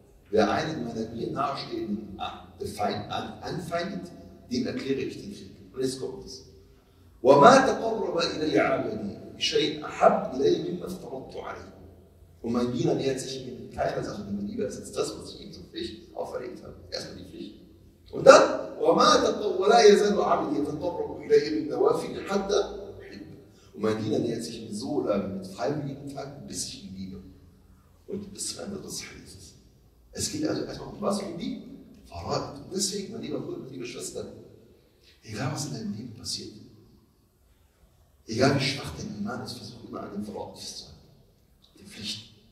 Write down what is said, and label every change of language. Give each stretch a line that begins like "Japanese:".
German: Wer einen meiner mir nahestehenden anfeindet, dem erkläre ich den Krieg. Und jetzt kommt es.
Arabic: وَمَا تَقَرَّبَ إِلَيْ عَبَدِي بِشَيْءٍ أَحَبْ إِلَيْ مِمَّا افْتَرَضْتُ عَلَيْهِ.
German: Und mein Diener nähert sich mir mit keiner Sache, die mir lieber ist, als das, was ich ihm zur Pflicht auferlegt habe. Erstmal die Pflicht. Und dann,
Arabic: وَمَا تَقَرَّبَ وَلَا يَزَلُ عَبَدِي يَتَقَرَّبُ إِلَيْ مِنْ نَوَافِلِ حَتَّى.
German: Und mein Diener nähert sich mir so lange mit freiwilligen Taten, bis ich ihn liebe. Und bis zum Ende des Hadiths. Es geht also erstmal um was? Um die Verrat. Und deswegen, mein lieber Bruder, liebe Schwester, egal was in deinem Leben passiert, egal wie schwach dein Iman ist, versuch immer an den Verordnungen festzuhalten. Die Pflichten.